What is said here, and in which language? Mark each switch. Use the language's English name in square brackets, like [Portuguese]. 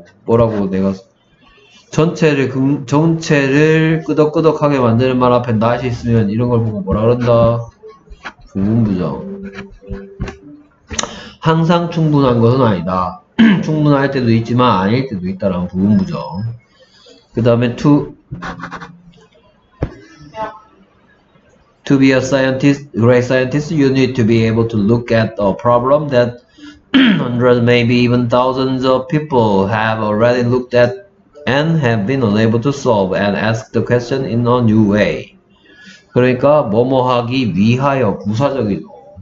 [Korean] 뭐라고 내가 전체를 끄덕끄덕하게 만드는 말 앞에 not이 있으면 이런 걸 보고 뭐라 그런다? 불문부정. 항상 충분한 것은 아니다. 충분할 때도 있지만 아닐 때도 있다라는 불문부정. [English] 그 다음에 to be a scientist, great scientist, you need to be able to look at a problem that hundreds, maybe even thousands of people have already looked at and have been unable to solve and ask the question in a new way. [Korean] 그러니까 뭐뭐 하기 위하여 부사적이죠.